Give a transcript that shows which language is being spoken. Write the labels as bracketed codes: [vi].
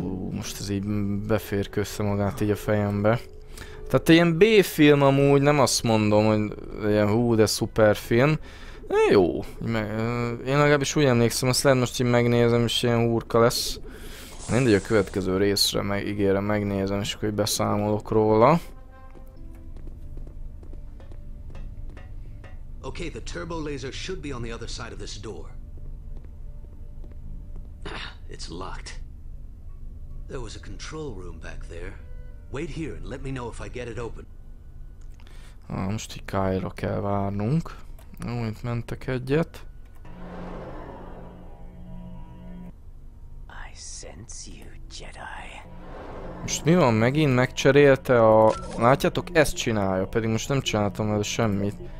[hu] Most ez így beférkőzte magát így a fejembe. Tehát ilyen B-film amúgy, nem azt mondom, hogy ilyen hú, de szuper film. De jó. Én legalábbis úgy emlékszem, azt lehet most így megnézem, és ilyen hurka lesz. Mindegy, a következő részre ígérem, megnézem, és akkor beszámolok róla. [en] Okay, the turbo laser should be on the other side of this door. It's locked. There was a control room back there. Wait here and let me know if I get it open. [hu] Most így Kyle-ra kell várnunk. Jó, itt mentek egyet. [en] I sense you, Jedi. [hu] Most mi van, megint megcserélte a... Látjátok, ezt csinálja, pedig most nem csináltam el semmit.